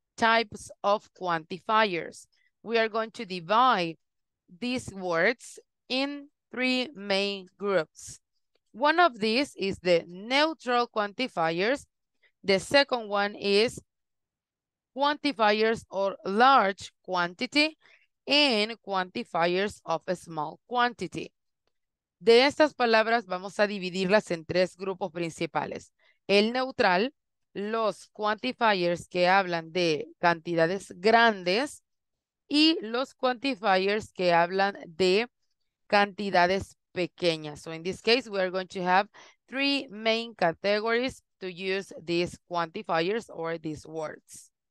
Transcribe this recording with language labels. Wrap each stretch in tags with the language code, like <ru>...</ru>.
<en>types of quantifiers. We are going to divide these words in three main groups. One of these is the neutral quantifiers. The second one is quantifiers or large quantity and quantifiers of a small quantity.</en> <es>De estas palabras vamos a dividirlas en tres grupos principales. El neutral, los quantifiers que hablan de cantidades grandes y los quantifiers que hablan de cantidades pequeñas.</es> <en>So in this case, we are going to have three main categories to use these quantifiers or these words.</en>